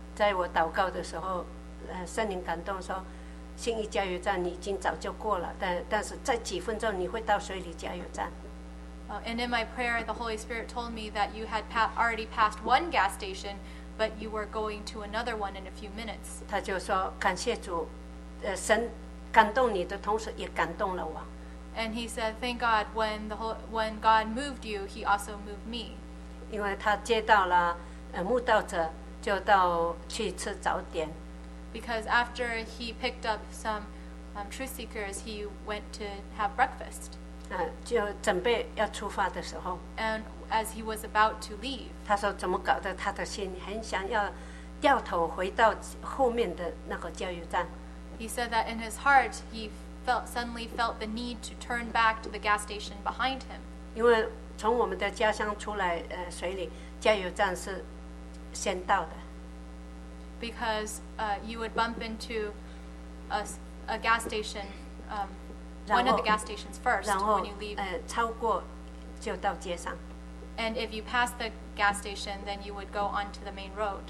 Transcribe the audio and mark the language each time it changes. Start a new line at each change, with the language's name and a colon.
Chinese: 在我祷告的时候，圣灵感动说，信义加油站你已经早就过了，但是在几分钟你会到水里加油站。
English: And in my prayer, the Holy Spirit told me that you had already passed one gas station, but you were going to another one in a few minutes.
Chinese: 他就说感谢主，神感动你的同时也感动了我。
English: And he said, thank God, when God moved you, he also moved me.
Chinese: 因为他接到了慕道者，就到去吃早点。
English: Because after he picked up some truth seekers, he went to have breakfast.
Chinese: 就准备要出发的时候。
English: And as he was about to leave,
Chinese: 他说怎么搞得他的心很想要掉头回到后面的那个加油站。
English: He said that in his heart, he suddenly felt the need to turn back to the gas station behind him.
Chinese: 因为从我们的家乡出来，水里加油站是先到的。
English: Because you would bump into a gas station, one of the gas stations first when you leave.
Chinese: 超过就到街上。
English: And if you pass the gas station, then you would go onto the main road.